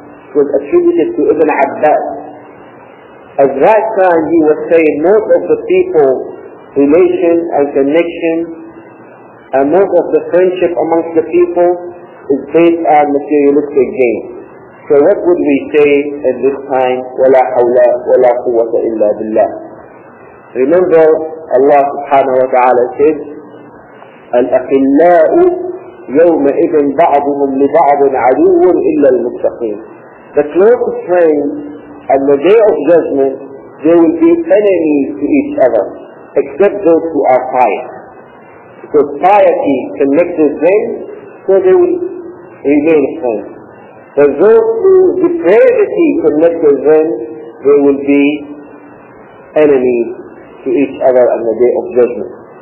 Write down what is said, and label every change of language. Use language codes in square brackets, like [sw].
[en] It was attributed to Ibn Abbas. At that time he was saying most of the people, relation and connection, and most of the friendship amongst the people is based on materialistic gain. So what would we say at this time? [ar] وَلَا حَوْلَا وَلَا قُوَّةَ إِلَّا بِاللَّهِ. [en] Remember, Allah subhanahu wa ta'ala said, [ar] الأخلاء يومئذ بعضهم لبعض عدو إلا المتقين. [en] The closest friends on the day of judgment, they will be enemies to each other, except those who are pious. Because piety connected them, so they will remain friends. But those who depravity connected them, they will be enemies to each other on the day of judgment.